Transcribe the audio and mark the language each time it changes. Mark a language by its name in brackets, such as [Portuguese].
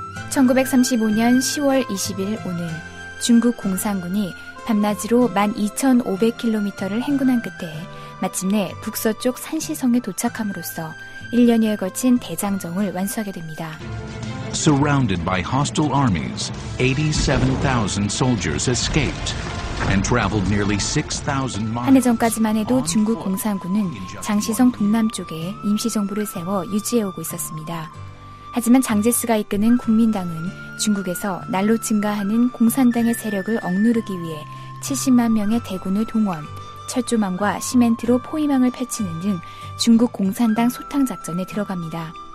[Korean] 1935년 10월 20일 오늘 중국 공산군이 밤낮으로 12,500km를 행군한 끝에 마침내 북서쪽 산시성에 도착함으로써 1년여에 걸친 대장정을 완수하게 됩니다. [English] Surrounded by hostile armies, 87,000 soldiers escaped and traveled nearly 6,000 miles. [Korean] 한 해 전까지만 해도 중국 공산군은 장시성 동남쪽에 임시정부를 세워 유지해오고 있었습니다. 하지만 장제스가 이끄는 국민당은 중국에서 날로 증가하는 공산당의 세력을 억누르기 위해 70만 명의 대군을 동원, 철조망과 시멘트로 포위망을 펼치는 등 중국 공산당 소탕 작전에 들어갑니다.